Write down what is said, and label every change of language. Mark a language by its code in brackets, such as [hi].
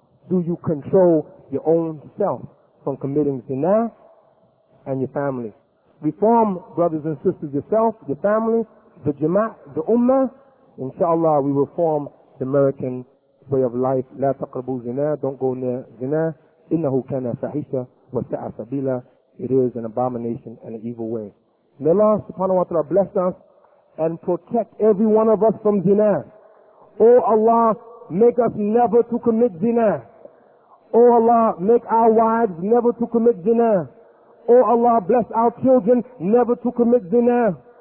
[en] Do you control your own self from committing zina and your family? Reform, brothers and sisters, yourself, your family, the jama'ah, the ummah. Inshallah, we reform American way of life. [ar] لا تقربوا زنا. [en] Don't go near زنا. [ar] إنه كان فاحشة وساء سبيلا. [en] It is an abomination and an evil way. May Allah subhanahu wa ta'ala bless us and protect every one of us from زنا. Oh Allah, make us never to commit زنا. Oh Allah, make our wives never to commit زنا. Oh Allah, bless our children never to commit زنا.